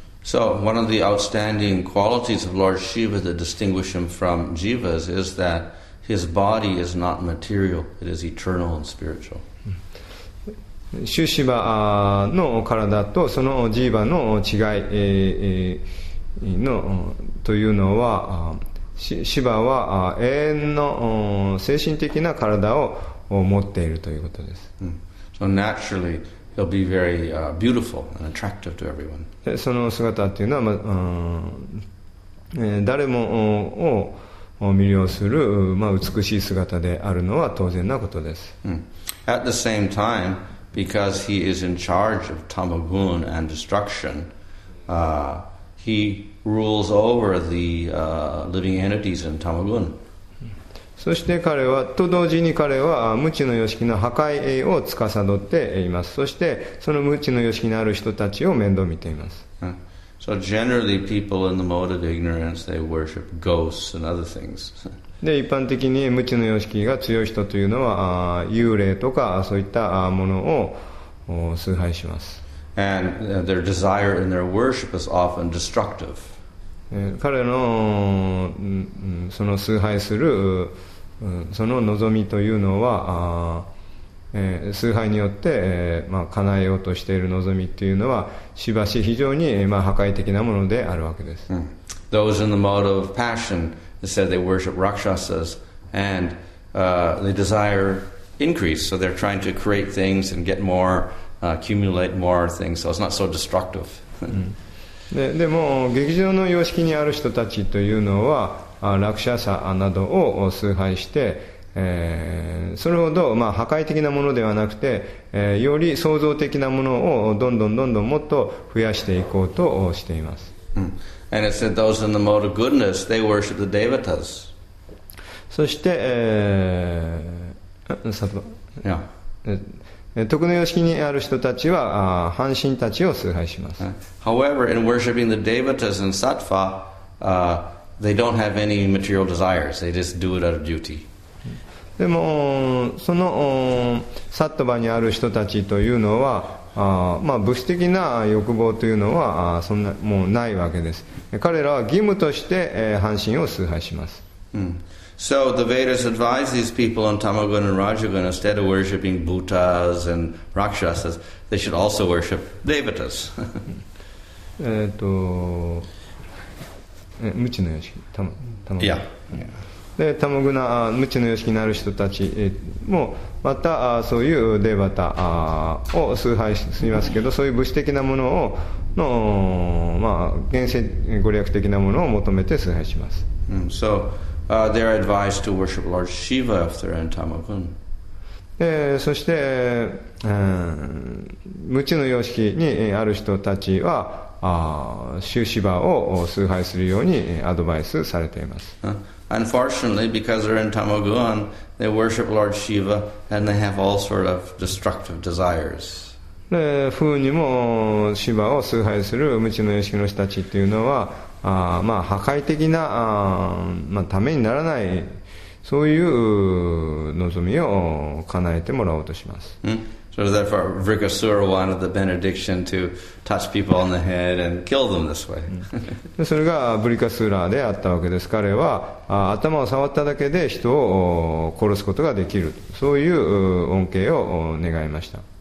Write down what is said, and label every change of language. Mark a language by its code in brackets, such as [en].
[en] So one of the outstanding qualities of Lord Shiva that distinguish him from Jivas is that his body is not material, it is eternal and spiritual. [ja] シュシバの体とそのジーバの違いのというのは、シバは永遠の精神的な体を持っているということです。 [en] So naturally, he'll be very beautiful and attractive to everyone. [ja] その姿というのは、誰もを魅了する美しい姿であるのは当然なことです。 [en] At the same time,Because he is in charge of tamagun and destruction, he rules over the living entities in tamagun. [ja] そして彼はと同時に彼は無知の様式の破壊を司っています。そしてその無知の様式のある人たちを面倒見ています。 [en] So generally, people in the mode of ignorance, they worship ghosts and other things. [ja] で一般的に無知の様式が強い人というのは幽霊とかそういったものを崇拝します。 [en] And their desire and their worship is often destructive. [ja] 彼のその崇拝するその望みというのは崇拝によって叶えようとしている望みというのはしばし非常に破壊的なものであるわけです。 [en] Those in the mode of passionIt said they worship rakshasas and they desire increase, so they're trying to create things and get more, accumulate more things, so it's not so destructive. [ja] でも劇場の様式にある人たちというのは、ラクシャサなどを崇拝して、それほど破壊的なものではなくて、より創造的なものをどんどんどんどんもっと増やしていこうとしています。 [en] And it said those in the mode of goodness, they worship the devatas. [ja] そして、徳の様式にある人たちは、半神たちを崇拝します。 [en] However, in worshiping the devatas and sattva, they don't have any material desires. They just do it out of duty. [ja] でもそのサットバにある人たちというのは、まあ、物質的な欲望というのはそんなもうないわけです。彼らは義務として半身を崇拝します。 Mm. [en] So the Vedas advise these people on Tamoguna and Rajaguna, instead of worshipping Buddhas and Rakshasas, they should also worship Devatas. [ja] ムチの様式、タマグナ。でタモグナ無知の様式のある人たちもまたそういうデバタを崇拝しますけど、そういう物質的なものをの、まあ、現世ご利益的なものを求めて崇拝します、 [en] mm. So、they are advised to worship Lord Shiva if they're in Tamagun. [ja] そして、無知の様式にある人たちはシューシバを崇拝するようにアドバイスされています、 huh? [en] Unfortunately, because they're in Tamoguan, they worship Lord Shiva and they have all sort of destructive desires. [ja] で、不運にもシバを崇拝する無知の様式の人たちというのは、まあ、破壊的な、まあ、ためにならないそういう望みを叶えてもらおうとします。 [en] So therefore, Vrikasura wanted the benediction to touch people on the head and kill them this way. [ja] それがブリカスーラであったわけです。彼は頭を触っただけで人を殺すことができる。そういう恩恵を願いました。